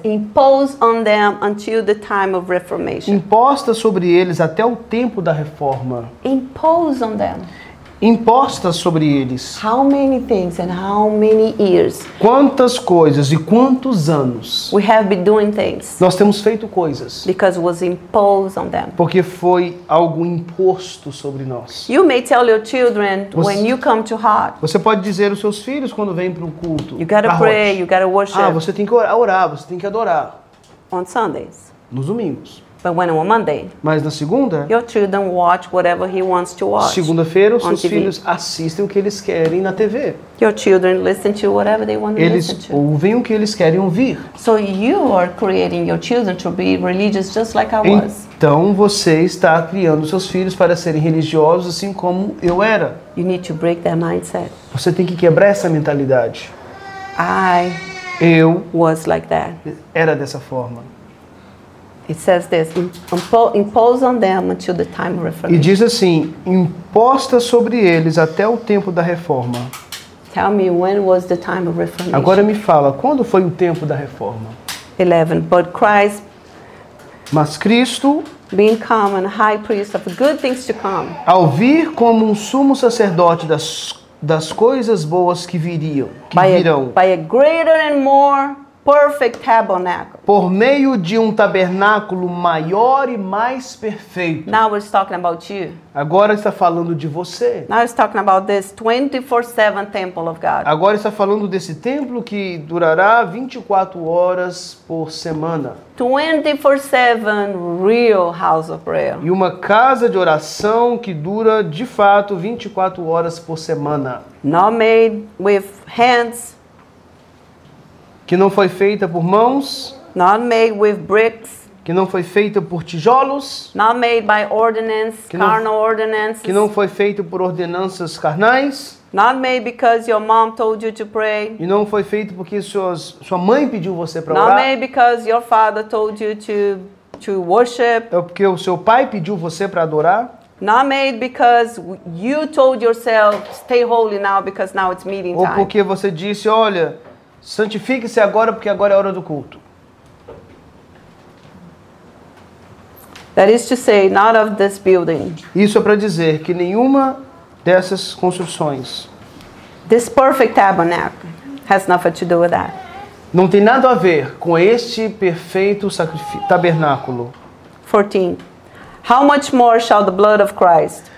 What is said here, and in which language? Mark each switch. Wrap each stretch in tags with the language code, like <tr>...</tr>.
<en>Impose on them until the time of reformation.</en> <pt>Imposta sobre eles até o tempo da reforma.</pt> <en>Impose on them.</en> <pt>Impostas sobre eles.</pt> <en>How many things and how many years?</en> <pt>Quantas coisas e quantos anos?</pt> <en>We have been doing things.</en> <pt>Nós temos feito coisas.</pt> <en>Because it was imposed on them.</en> <pt>Porque foi algo imposto sobre nós.</pt> <en>You may tell your children when you come to heart.</en> <pt>Você pode dizer aos seus filhos quando vem para o culto.</pt> <en>You gotta pray. You gotta worship.</en> <pt>Ah, você tem que orar. Você tem que adorar.</pt> <en>On Sundays.</en> <pt>Nos domingos.</pt> <en>But when on Monday,</en> <pt>mas na segunda,</pt> <en>your children watch whatever he wants to watch.</en> <pt>Segunda-feira, os seus filhos assistem o que eles querem na TV.</pt> <en>Your children listen to whatever they want to listen to.</en> <pt>Eles ouvem o que eles querem ouvir.</pt> <en>So you are creating your children to be religious just like I was.</en> <pt>Então você está criando seus filhos para serem religiosos assim como eu era.</pt> <en>You need to break that mindset.</en> <pt>Você tem que quebrar essa mentalidade.</pt> <en>Eu was like that.</en> <pt>Era dessa forma.</pt> <en>It says this, impose on them until the time of reformation.</en> <pt>E diz assim, imposta sobre eles até o tempo da reforma.</pt> <en>Tell me when was the time of reformation.</en> <pt>Agora me fala, quando foi o tempo da reforma?</pt> <en>11, but Christ,</en> <pt>mas Cristo,</pt> <en>being come and high priest of good things to come,</en> <pt>ao vir como um sumo sacerdote das coisas boas que viriam,</pt> <en>by a greater and more perfect tabernacle.</en> <pt>Por meio de tabernáculo maior e mais perfeito.</pt> <en>Now we're talking about you.</en> <pt>Agora está falando de você.</pt> <en>Now it's talking about this 24/7 temple of God.</en> <pt>Agora está falando desse templo que durará 24 horas por semana.</pt> <en>24/7 real house of prayer.</en> <pt>E uma casa de oração que dura de fato 24 horas por semana.</pt> <en>Not made with hands.</en> <pt>Que não foi feita por mãos.</pt> <en>Not made with bricks.</en> <pt>Que não foi feita por tijolos.</pt> <en>Not made by ordinance, carnal ordinances.</en> <pt>Que não foi feita por ordenanças carnais.</pt> <en>Not made because your mom told you to pray.</en> <pt>E não foi feita porque sua mãe pediu você para orar.</pt> <en>Not made because your father told you to worship.</en> <pt>É porque o seu pai pediu você para adorar.</pt> <en>Not made because you told yourself stay holy now because now it's meeting time.</en> <pt>Ou porque você disse, olha, santifique-se agora porque agora é hora do culto.</pt> <en>That is to say, not of this building.</en> <pt>Isso é para dizer que nenhuma dessas construções.</pt> <en>This perfect tabernacle has nothing to do with that.</en> <pt>Não tem nada a ver com este perfeito tabernáculo.</pt> <en>14. How much more shall the blood of Christ?</en>